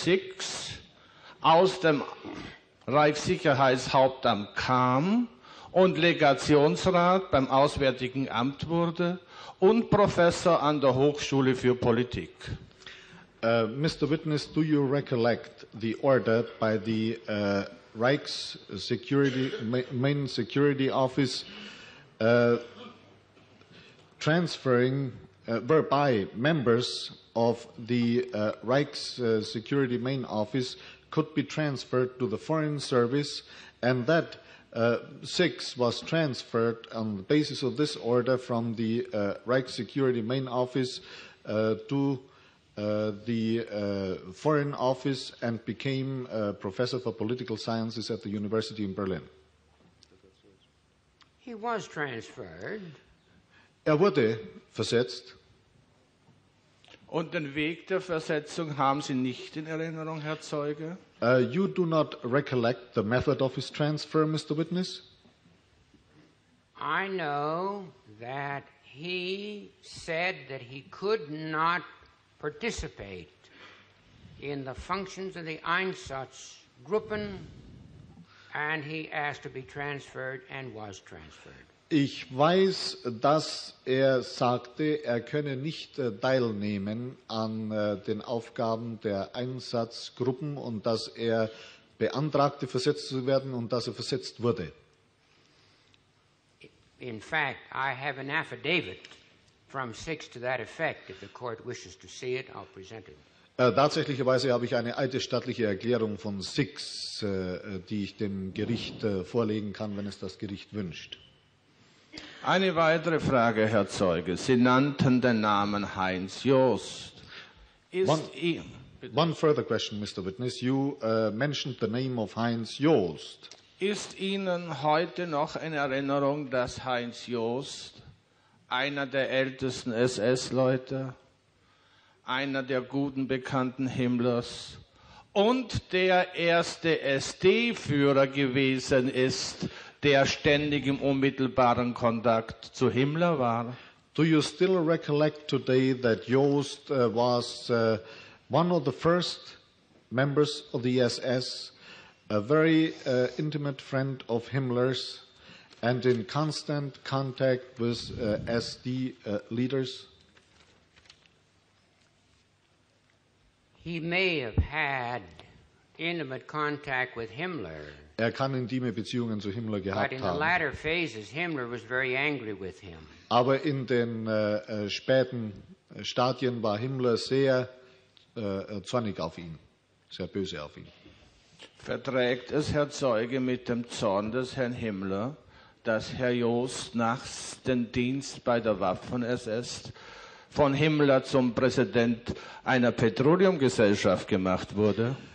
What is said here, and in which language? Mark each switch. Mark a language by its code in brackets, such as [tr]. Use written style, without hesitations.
[de] Six aus dem Reichssicherheitshauptamt kam und Legationsrat beim Auswärtigen Amt wurde und Professor an der Hochschule für Politik. [en] Mr. Witness, do you recollect the order by the Reich's security, main security office transferring whereby members of the Reich's security main office could be transferred to the foreign service, and that Six was transferred on the basis of this order from the Reich Security Main Office to the Foreign Office and became Professor for Political Sciences at the University in Berlin. He was transferred. [de] Wurde versetzt. Und den Weg der Versetzung haben Sie nicht in Erinnerung, Herr Zeuge? [en] You do not recollect the method of his transfer, Mr. Witness? I know that he said that he could not participate in the functions of the Einsatzgruppen, and he asked to be transferred and was transferred. [de] Ich weiß, dass er sagte, er könne nicht teilnehmen an den Aufgaben der Einsatzgruppen und dass er beantragte, versetzt zu werden und dass er versetzt wurde. [en] In fact, I have an affidavit from Six to that effect. If the court wishes to see it, I'll present it. [de] Tatsächlicherweise habe ich eine eidesstattliche Erklärung von Six, die ich dem Gericht vorlegen kann, wenn es das Gericht wünscht. Eine weitere Frage, Herr Zeuge. Sie nannten den Namen Heinz Jost. [en] One further question, Mr. Witness. You mentioned the name of Heinz Jost. [de] Ist Ihnen heute noch in Erinnerung, dass Heinz Jost, einer der ältesten SS-Leute, einer der guten Bekannten Himmlers und der erste SD-Führer gewesen ist, der ständig im unmittelbaren Kontakt zu Himmler war? [en] Do you still recollect today that Jost was one of the first members of the SS, a very intimate friend of Himmler's and in constant contact with SD leaders? He may have had intimate contact with Himmler. [de] Er kann intime Beziehungen zu Himmler gehabt haben. [en] But in the latter phases, Himmler was very angry with him. [de] Aber in den späten Stadien war Himmler sehr zornig auf ihn, sehr böse auf ihn. Verträgt es, Herr Zeuge, mit dem Zorn des Herrn Himmler, dass Herr Jost nachts den Dienst bei der Waffen-SS von Himmler zum Präsident einer Petroleumgesellschaft gemacht wurde?